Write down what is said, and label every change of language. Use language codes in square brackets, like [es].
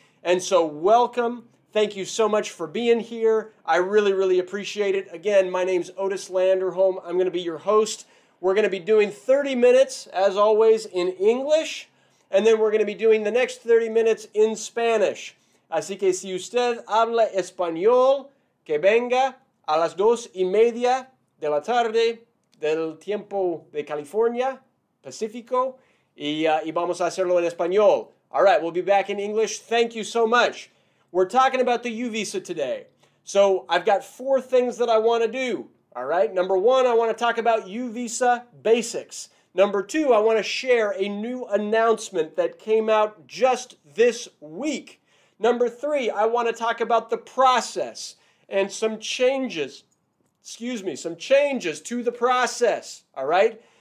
[en] And so welcome. Thank you so much for being here. I really, really appreciate it. Again, my name's Otis Landerholm. I'm going to be your host. We're going to be doing 30 minutes, as always, in English. And then we're going to be doing the next 30 minutes in Spanish. [es] Así que si usted habla español, que venga a las dos y media de la tarde del tiempo de California, Pacifico, y vamos a hacerlo en español. [en] All right, we'll be back in English. Thank you so much. We're talking about the U visa today. So I've got four things that I want to do. All right, number one, I want to talk about U visa basics. Number two, I want to share a new announcement that came out just this week. Number three, I want to talk about the process and some changes, some changes to the process. All right.